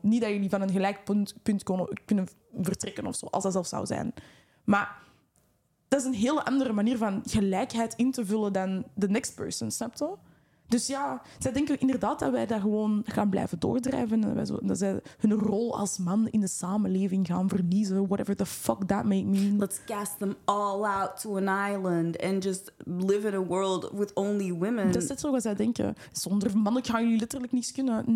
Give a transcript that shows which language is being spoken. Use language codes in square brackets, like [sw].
[nl] Niet dat jullie van een gelijk punt kunnen vertrekken of zo, als dat zelf zou zijn. Maar dat is een hele andere manier van gelijkheid in te vullen dan [en] the next person, [nl] snap je? Dus ja, zij denken inderdaad dat wij dat gewoon gaan blijven doordrijven. Dat zij hun rol als man in de samenleving gaan verliezen. [en] Whatever the fuck that may mean. Let's cast them all out to an island and just live in a world with only women. [nl] Dat is net zo wat zij denken. Zonder mannen gaan jullie letterlijk niets kunnen.